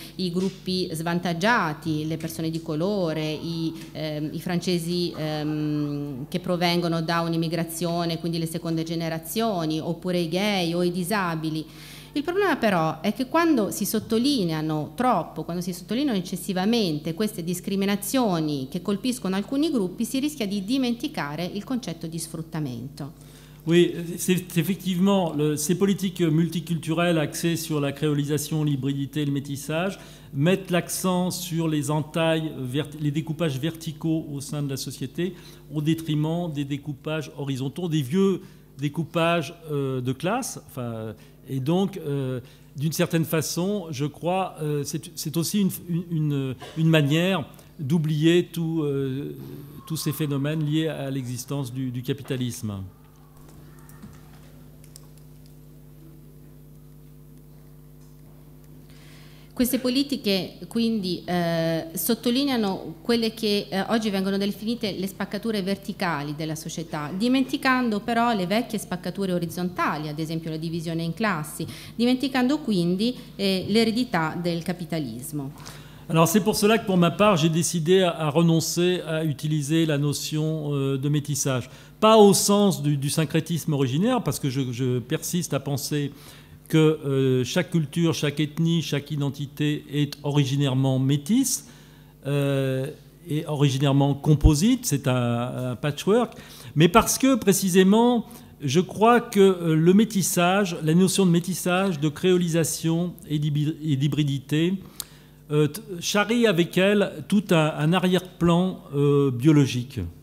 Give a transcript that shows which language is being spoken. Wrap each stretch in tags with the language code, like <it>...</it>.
<it>i gruppi svantaggiati, le persone di colore, i francesi che provengono da un'immigrazione, quindi le seconde generazioni, oppure i gay o i disabili. Il problema però è che quando si sottolineano troppo, quando si sottolineano eccessivamente queste discriminazioni che colpiscono alcuni gruppi, si rischia di dimenticare il concetto di sfruttamento.</it> <fr>Oui, c'est effectivement ces politiques multiculturelles axées sur la créolisation, l'hybridité, le métissage mettent l'accent sur les entailles, les découpages verticaux au sein de la société au détriment des découpages horizontaux, des vieux découpages de classe, enfin. Et donc, d'une certaine façon, je crois, c'est aussi une manière d'oublier tous ces phénomènes liés à l'existence du capitalisme.</fr> <it>Queste politiche quindi sottolineano quelle che oggi vengono definite le spaccature verticali della società, dimenticando però le vecchie spaccature orizzontali, ad esempio la divisione in classi, dimenticando quindi l'eredità del capitalismo.</it> <fr>Alors c'est pour cela que pour ma part j'ai décidé à renoncer à utiliser la notion de métissage, pas au sens du syncrétisme originaire, parce que je persiste à penser que chaque culture, chaque ethnie, chaque identité est originairement métisse et originairement composite, c'est un patchwork, mais parce que précisément je crois que le métissage, la notion de métissage, de créolisation et d'hybridité charrie avec elle tout un arrière-plan biologique.</fr>